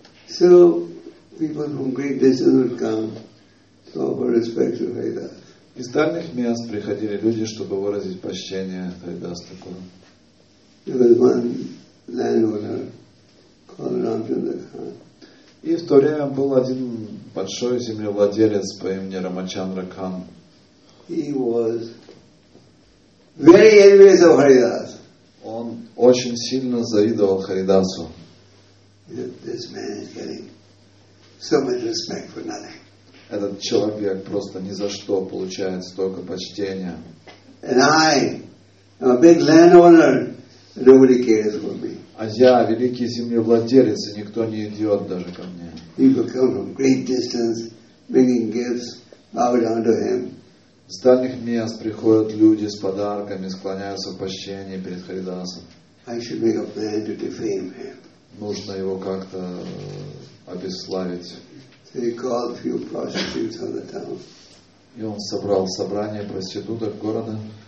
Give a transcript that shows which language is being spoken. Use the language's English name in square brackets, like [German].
[English] So people from great distance would come to offer respect to Haridas. [Russian] Из дальних мест приходили люди, чтобы выразить почтение Харидас Такуру. [English] There was one landowner called Ramchandra Khan. [Russian] И в то время был один большой землевладелец по имени Рамачандра Кан. [English] He was very envious of Haridas. [Russian] Он очень сильно завидовал Харидасу. [English] This man is getting so much respect for nothing. [Russian] Этот человек просто ни за что получает столько почтения. [English] And I am a big landowner. Nobody cares for me. [Russian] А я великий землевладелец, и никто не идет даже ко мне. [English] People come from great distance, bringing gifts, bow down to him. [Russian] С дальних мест приходят люди с подарками, склоняются в почтении перед Харидасом. [English] I should make a plan to defame him. [Russian] Нужно его как-то обесславить. И он собрал собрание проституток города.